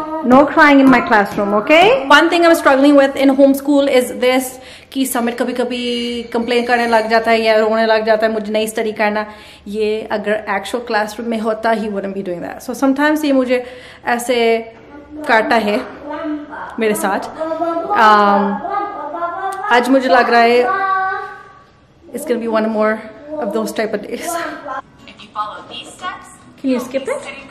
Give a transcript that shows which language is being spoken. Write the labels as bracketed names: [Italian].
[English] No crying in my classroom, okay? One thing I'm struggling with in homeschool is this, [Hindi] कि समित कभी कभी complain करने लग जाता है या रोने लग जाता है, मुझे नहीं स्टडी करना. ये अगर एक्चुअल क्लासरूम में होता, [English] he wouldn't be doing that. So sometimes [Hindi] ये मुझे ऐसे करता है मेरे साथ. आज मुझे लग रहा है [English] it's gonna be one more of those type of days. If you follow these steps, can you skip it?